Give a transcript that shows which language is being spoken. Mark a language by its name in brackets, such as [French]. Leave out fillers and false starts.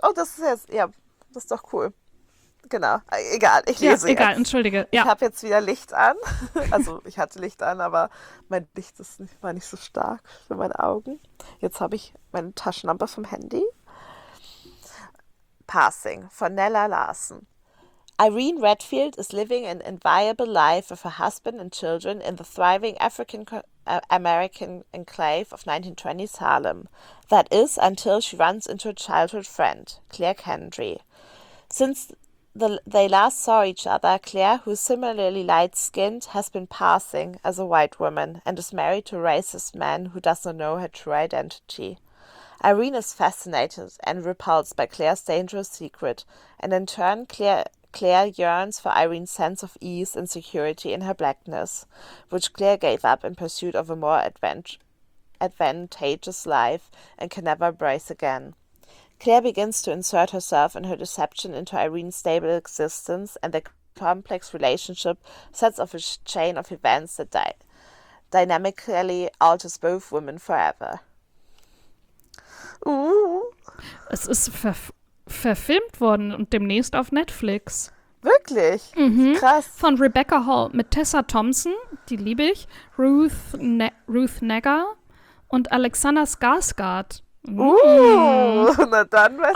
[German] Oh, das ist jetzt... Ja, das ist doch cool. Genau. Egal, ich lese jetzt. Ja, egal, entschuldige. Ja. Ich habe jetzt wieder Licht an. Also, ich hatte Licht an, aber mein Licht ist nicht, war nicht so stark für meine Augen. Jetzt habe ich meine Taschenlampe vom Handy. Passing von Nella Larsen. [English] Irene Redfield is living an inviolable life with her husband and children in the thriving African American enclave of 1920s Harlem. That is, until she runs into a childhood friend, Claire Kendry. Since they last saw each other, Claire, who is similarly light-skinned, has been passing as a white woman and is married to a racist man who does not know her true identity. Irene is fascinated and repulsed by Claire's dangerous secret, and in turn, Claire yearns for Irene's sense of ease and security in her blackness, which Claire gave up in pursuit of a more advantageous life and can never embrace again. Claire begins to insert herself and her deception into Irene's stable existence, and the complex relationship sets off a chain of events that dynamically alters both women forever. [German] Es ist verfilmt worden und demnächst auf Netflix. Wirklich? Mhm. Krass. Von Rebecca Hall mit Tessa Thompson, die liebe ich, Ruth Negga und Alexander Skarsgård. Na dann weiß ich,